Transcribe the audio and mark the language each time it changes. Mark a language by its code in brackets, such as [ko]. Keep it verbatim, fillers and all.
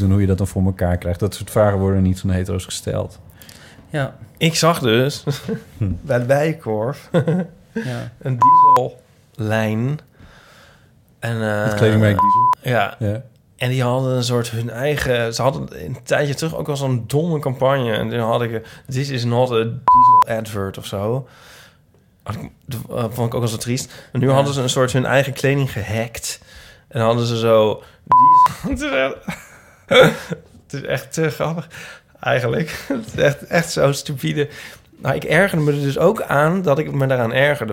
[nl] en hoe je dat dan voor elkaar krijgt. Dat soort vragen worden niet van hetero's gesteld. Ja. Ik zag dus hm. bij de Bijenkorf ja. een diesellijn. En, uh, het kledingmerk diesel. Ja. ja. En die hadden een soort hun eigen... Ze hadden een tijdje terug ook wel zo'n domme campagne. En toen had ik... [en] This is not a diesel advert [nl] of zo. Had ik, uh, vond ik ook wel zo triest. En nu ja. hadden ze een soort hun eigen kleding gehackt. En hadden ze zo... Diesel. Het is echt te grappig. Eigenlijk. Het is echt, echt zo stupide... Nou, ik ergerde me er dus ook aan dat ik me daaraan ergerde.